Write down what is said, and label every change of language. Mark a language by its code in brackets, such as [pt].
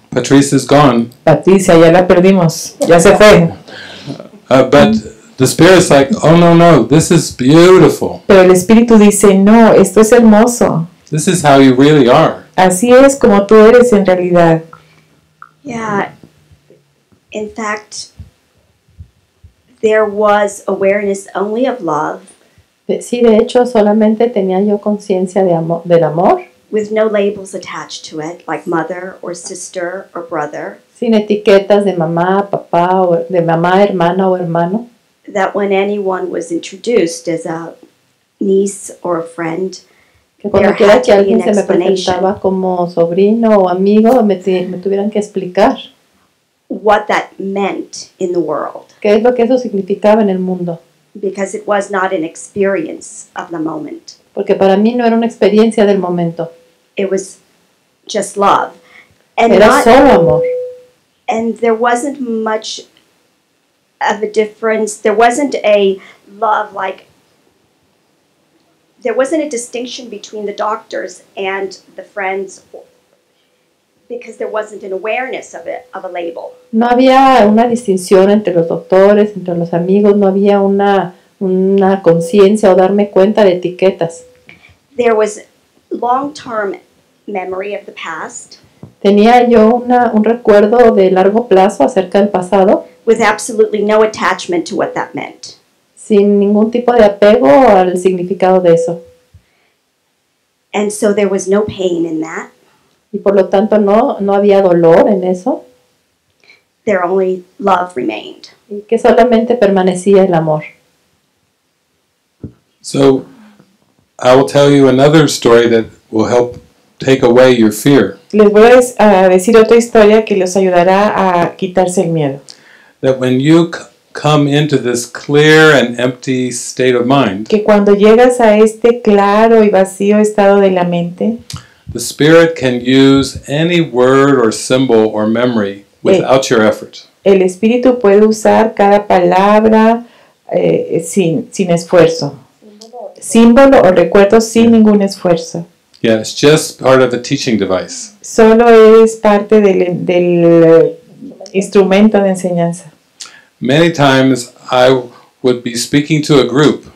[en] Patrice is gone. [es] Patricia, ya la perdimos. Ya se fue. [en] But the spirit's like, oh, no, this is beautiful. [es] Pero el espíritu dice, no, esto es hermoso. [en] This is how you really are. [es] Así es como tú eres en realidad. [en] Yeah, in fact, there was awareness only of love. [es] Sí, de hecho, solamente tenía yo conciencia de del amor. [en] With no labels attached to it, like mother or sister or brother. [es] Sin etiquetas de mamá, papá, o de mamá, hermana o hermano. [en] That when anyone was introduced as a niece or a friend, [es] cuando quiera que alguien se me presentaba como sobrino o amigo, me tuvieran que explicar [en] what that meant in the world. [es] ¿Qué es lo que eso significaba en el mundo? [en] Because it was not an experience of the moment. [es] Porque para mí no era una experiencia del momento. [en] It was just love. [es] And era not, solo amor. [en] And there wasn't much of a difference. There wasn't a love like there wasn't a distinction between the doctors and the friends, because there wasn't an awareness of it, of a label. [es] No había una distinción entre los doctores, entre los amigos, no había una conciencia o darme cuenta de etiquetas. [en] There was long-term memory of the past. [es] Tenía yo un recuerdo de largo plazo acerca del pasado. [en] With absolutely no attachment to what that meant. [es] Sin ningún tipo de apego al significado de eso. [en] And so there was no pain in that. [es] Y por lo tanto no había dolor en eso. [en] There only love remained. [es] Y que solamente permanecía el amor. [en] So I will tell you another story that will help take away your fear. [es] Les voy a decir otra historia que les ayudará a quitarse el miedo. [en] That when you come into this clear and empty state of mind. [es] Que cuando llegas a este claro y vacío estado de la mente. [en] The spirit can use any word or symbol or memory without your effort. [es] El espíritu puede usar cada palabra sin esfuerzo. Símbolo o recuerdo sin ningún esfuerzo. [en] Yeah, it's just part of the teaching device. [es] Solo es parte del instrumento de enseñanza. [en] Many times I would be speaking to a group.